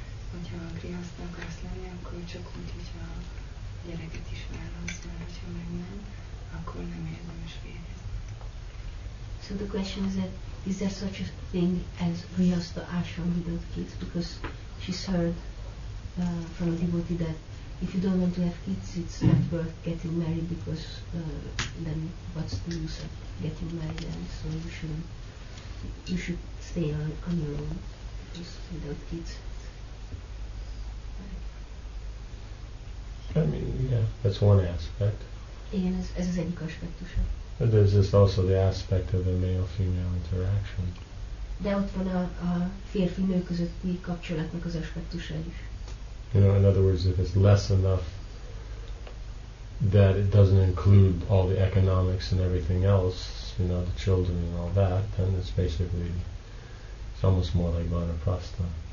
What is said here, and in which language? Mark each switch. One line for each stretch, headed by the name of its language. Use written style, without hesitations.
Hungarian: Hogyha a grihasztra akarsz lenni, akkor csak úgy, hogyha a gyereket is válasz, mert hogyha meg nem, akkor nem érdemes végezni.
English: So the question is that, is there such a thing as grihasztra ashram without kids? Because she's heard from a devotee that if you don't want to have kids, it's not worth getting married, because then what's the use of getting married, and so you should stay on your own, just without kids. I mean, yeah, that's one aspect.
Hungarian: Igen, ez az egyik aspektusa.
English: But there's just also the aspect of the male-female interaction.
Hungarian: De ott van a férfi-nő közötti kapcsolatnak az aspektusa is.
English: You know, in other words, if it's less enough that it doesn't include all the economics and everything else, you know, the children and all that, then it's basically, it's almost more like vanaprastha.